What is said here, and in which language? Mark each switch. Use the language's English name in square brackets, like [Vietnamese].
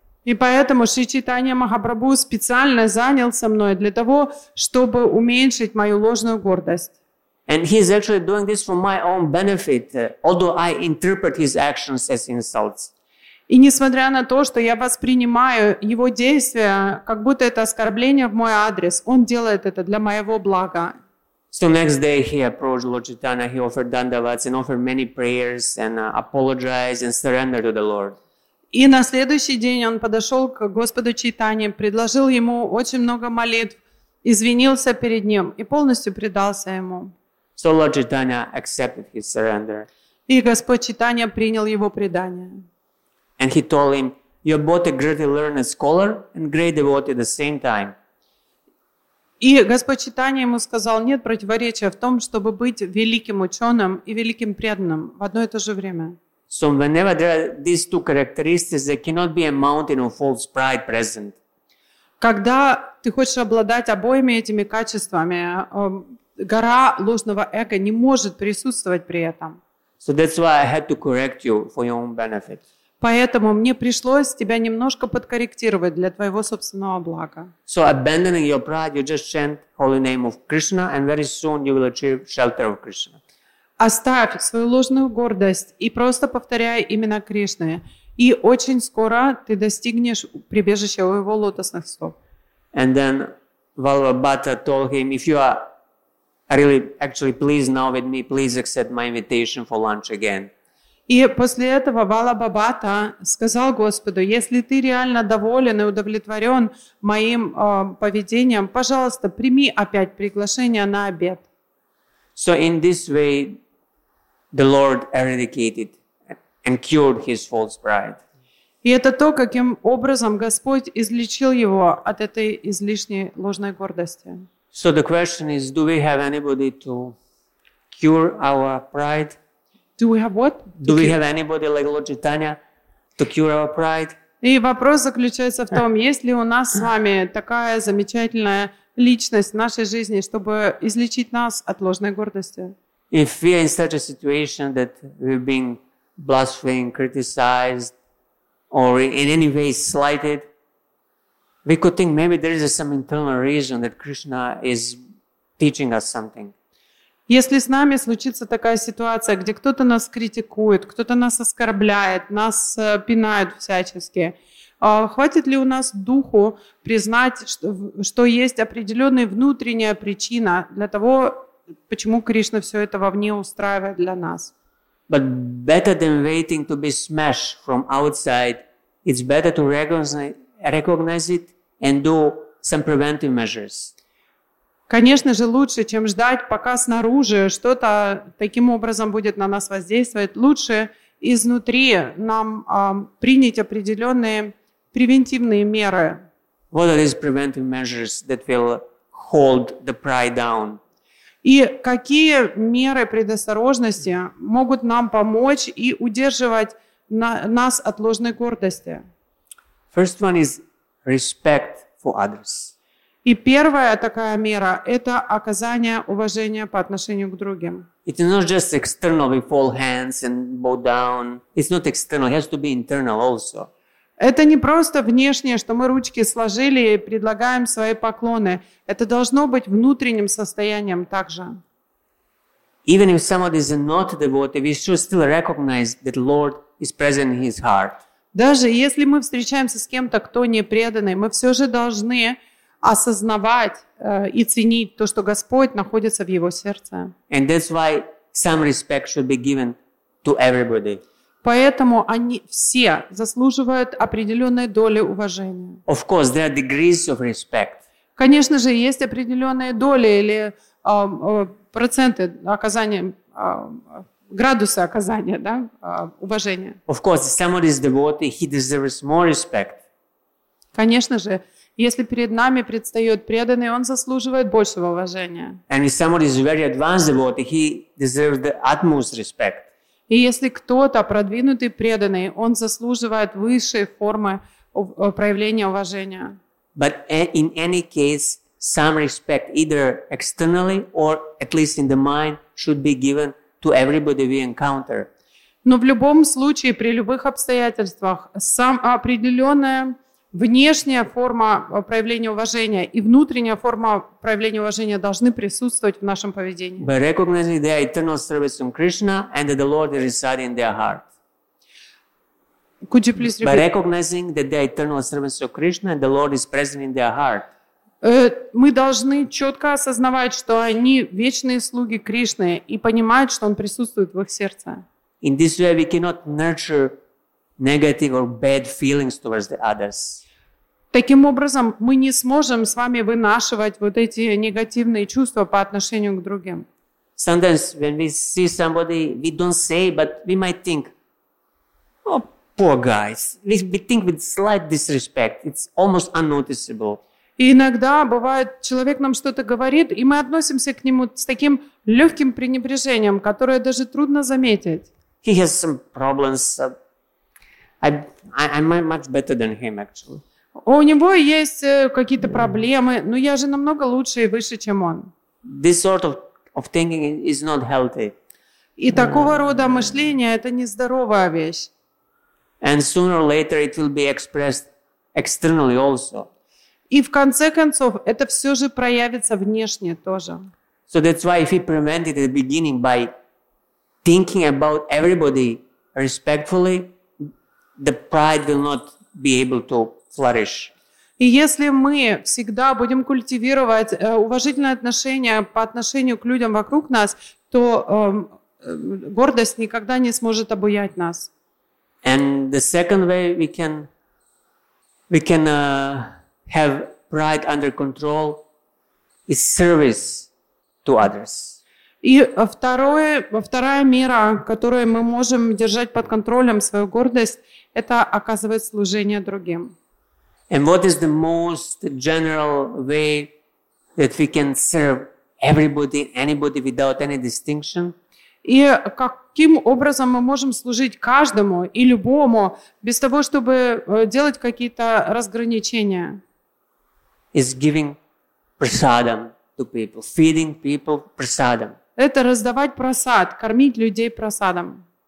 [Russian] И поэтому Шри Чайтанья Махапрабху специально занялся мной для того, чтобы уменьшить мою ложную гордость. [English] And he is actually doing this for my own benefit, although I interpret his actions as insults. [Russian] И несмотря на то, что я воспринимаю его действия, как будто это оскорбление в мой адрес, он делает это для моего блага. [English] So next day he approached Lord Chaitanya, he offered dandavats and offered many prayers and apologized and surrendered to the Lord. [Russian] И на следующий день он подошел к Господу Чайтанье, предложил ему очень много молитв, извинился перед ним и полностью предался ему. [English] So Lord Chaitanya accepted his surrender. [Russian] И Господь Чайтанья принял его предание. [English] And he told him, you're both a great learned scholar and great devotee at the same time. [Russian] И Господь Чайтанья ему сказал, нет противоречия в том, чтобы быть великим ученым и великим преданным в одно и то же время. [English] So whenever there are these two characteristics, there cannot be a mountain of false pride present. [Russian] Когда ты хочешь обладать обоими этими качествами, гора ложного эго не может присутствовать при этом. [English] So that's why I had to correct you for your own benefit. [Russian] Поэтому мне пришлось тебя немножко подкорректировать для твоего собственного блага. [English] So abandoning your pride, you just chant holy name of Krishna, and very soon you will achieve shelter of Krishna. [Russian] Оставь свою ложную гордость и просто повторяй имена Кришны, и очень скоро ты достигнешь прибежища у его лотосных стоп. [English] And then Vallabhata told him, if you are really actually pleased now with me, please accept my invitation for lunch again. [Russian] И после этого Валлабхабхата сказал Господу, если ты реально доволен и удовлетворен моим поведением, пожалуйста, прими опять приглашение на обед. [English] So in this way, the Lord eradicated and cured his false pride. [Russian] И это то, каким образом Господь излечил его от этой излишней ложной гордости. [English] So the question is, do we have anybody to cure our pride? Do we have what? Do we have anybody like Lord Chaitanya to cure our pride? [Russian] И вопрос заключается в том, есть ли у нас с вами такая замечательная личность в нашей жизни, чтобы излечить нас от ложной гордости? [English] If we are in such a situation that we're being blasphemed, criticized, or in any way slighted, we could think maybe there is some internal reason that Krishna is teaching us something. [Russian] Если с нами случится такая ситуация, где кто-то нас критикует, кто-то нас оскорбляет, нас пинают всячески, хватит ли у нас духу признать, что есть определенная внутренняя причина для того, почему Кришна все это вовне устраивает для нас? [English] But better than waiting to be smashed from outside, it's better to recognize it and do some preventive measures. [Russian] Конечно же, лучше, чем ждать, пока снаружи что-то таким образом будет на нас воздействовать. Лучше изнутри нам принять определенные превентивные меры. [English] What are these preventive measures that will hold the pride down? [Russian] И какие меры предосторожности могут нам помочь и удерживать нас от ложной гордости? [English] First one is respect for others. [Russian] И первая такая мера – это оказание уважения по отношению к другим. [English] It's not just external, we fall hands and bow down. It's not external, it has to be internal also. [Russian] Это не просто внешнее, что мы ручки сложили и предлагаем свои поклоны. Это должно быть внутренним состоянием также. [English] Even if somebody is not devoted, we should still recognize that the Lord is present in his heart. [Russian] Даже если мы встречаемся с кем-то, кто не преданный, мы все же должны осознавать и ценить то, что Господь находится в его сердце. [English] And that's why some respect should be given to everybody. [Russian] Поэтому они все заслуживают определенной доли уважения. [English] Of course, there are degrees of respect. [Russian] Конечно же, есть определенные доли или проценты оказания, градусы оказания, да, уважения. [English] Of course, if someone is devoted, he deserves more respect. [Russian] Конечно же, если перед нами предстает преданный, он заслуживает большего уважения. [English] And if someone is very advanced devotee, he deserves the utmost respect. [Russian] И если кто-то продвинутый преданный, он заслуживает высшей формы проявления уважения. [English] But in any case, some respect, either externally or at least in the mind, should be given to everybody we encounter. [Russian] Но в любом случае, при любых обстоятельствах, сам определенная внешняя форма проявления уважения и внутренняя форма проявления уважения должны присутствовать в нашем поведении. [English] By recognizing their eternal service from Krishna and that the Lord resides in their heart. Could you please repeat? By recognizing that their eternal service from Krishna and the Lord is present in their heart. [Russian] Мы должны четко осознавать, что они вечные слуги Кришны и понимают, что Он присутствует в их сердце. [English] In this way, we cannot nurture negative or bad feelings towards the others. [Russian] Таким образом, мы не сможем с вами вынашивать вот эти негативные чувства по отношению к другим. [English] Sometimes when we see somebody, we don't say, but we might think, oh, poor guys. We think with slight disrespect. It's almost unnoticeable. [Russian] И иногда бывает, человек нам что-то говорит, и мы относимся к нему с таким легким пренебрежением, которое даже трудно заметить. [English] He has some problems. I'm much better than him, actually. [Russian] У него есть какие-то проблемы, но я же намного лучше и выше, чем он. [English] This sort of thinking is not healthy. [Russian] И такого рода мышление – это нездоровая вещь. [English] And sooner or later it will be expressed externally also. [Russian] И в конце концов это все же проявится внешне тоже. [English] So that's why if we prevent it at the beginning by thinking about everybody respectfully, the pride will not be able to flourish. [Russian] И если мы всегда будем культивировать уважительное отношение по отношению к людям вокруг нас, то гордость никогда не сможет обуять нас. [English] And the second way we can have pride under control is service to others. [Russian] И второе, вторая мера, которую мы можем держать под контролем свою гордость, это оказывать служение другим. [English] And what is the most general way that we can serve everybody, anybody without any distinction? [Russian] И каким образом мы можем служить каждому и любому без того, чтобы делать какие-то разграничения? [English] Is giving prasadam to people, feeding people prasadam. [Russian] Это раздавать просад, кормить людей просадом.